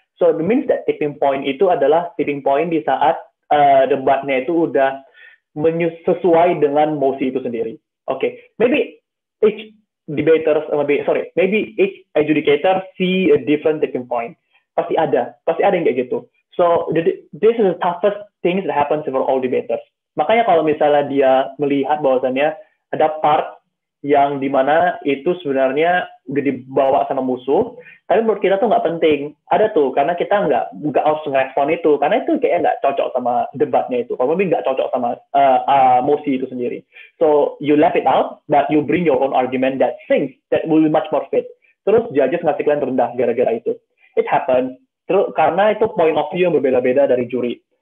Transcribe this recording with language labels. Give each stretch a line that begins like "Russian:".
English: So it means that
Indonesian: tipping point itu adalah tipping point di saat debatnya itu udah sesuai dengan mosi itu sendiri.
English: Oke, okay. Maybe each adjudicator see a different tipping point.
Indonesian: Pasti ada yang kayak gitu.
English: So this is the toughest things that happens for all debaters.
Indonesian: Makanya kalau misalnya dia melihat bahwasannya ada part yang dimana itu sebenarnya udah dibawa sama musuh, tapi menurut kita tuh nggak penting. Ada tuh, karena kita nggak harus ngerespon itu, karena itu kayaknya nggak cocok sama debatnya itu, kalau mungkin nggak cocok sama mosi itu sendiri.
English: So, you left it out, but you bring your own argument that thinks that will be much more fit.
Indonesian: Terus, judges ngasih kalian rendah gara-gara itu.
English: It happens.
Indonesian: Terus, karena itu point of view yang berbeda-beda dari juri.